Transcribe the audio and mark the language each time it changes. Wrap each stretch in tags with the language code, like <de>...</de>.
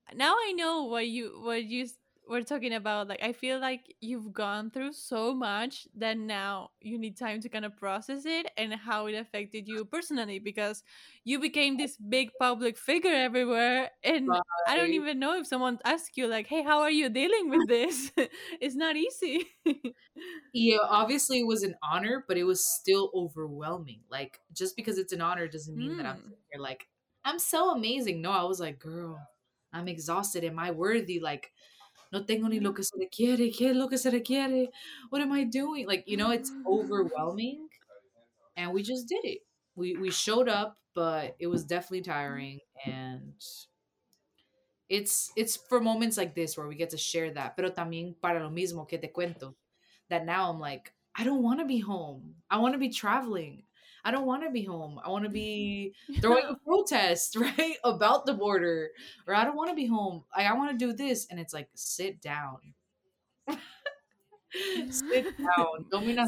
<en>Now I know what you we're talking about. Like, I feel like you've gone through so much that now you need time to kind of process it and how it affected you personally, because you became this big public figure everywhere, and right. I don't even know if someone asks you like, hey, how are you dealing with this? It's not easy. Yeah, obviously it was an honor, but it was still overwhelming. Like, just because it's an honor doesn't mean that I'm here. Like, I'm so amazing. No, I was like, girl, I'm exhausted. Am I worthy?</en> <es>Like, no tengo ni lo que se requiere. ¿Qué es lo que se requiere?</es> <en>What am I doing? Like, you know, it's overwhelming. And we just did it. We showed up, but it was definitely tiring. And it's for moments like this where we get to share that.</en> <es>Pero también para lo mismo que te cuento.</es> <en>That now I'm like, I don't want to be home. I want to be traveling. I don't want to be home. I want to be throwing a protest, right, about the border. Or I don't want to be home. I want to do this. And it's like, sit down. Sit down.</en>